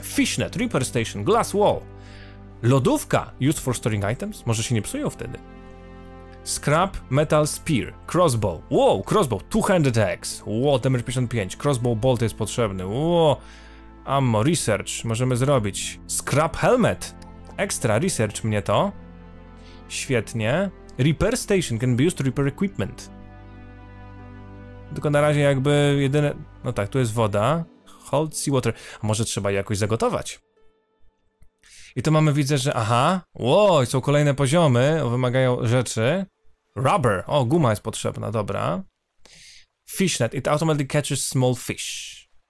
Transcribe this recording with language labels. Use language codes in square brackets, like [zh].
[en] Fishnet, Reaper Station, Glass Wall. Lodówka! Used for storing items? [pl] Może się nie psują wtedy. Scrap, Metal Spear, Crossbow. Wow, Crossbow, Two-Handed Axe. Wow, DMR55, Crossbow Bolt jest potrzebny. Wow, Ammo, Research, możemy zrobić. Scrap Helmet, Extra Research mnie to. Świetnie. [en] Repair Station, can be used to repair equipment. [pl] Tylko na razie jakby jedyne... No tak, tu jest woda. Hold Seawater, a może trzeba je jakoś zagotować. I to mamy, widzę, że aha, wow, są kolejne poziomy, wymagają rzeczy. Rubber, o, guma jest potrzebna, dobra. Fishnet, it automatically catches small fish.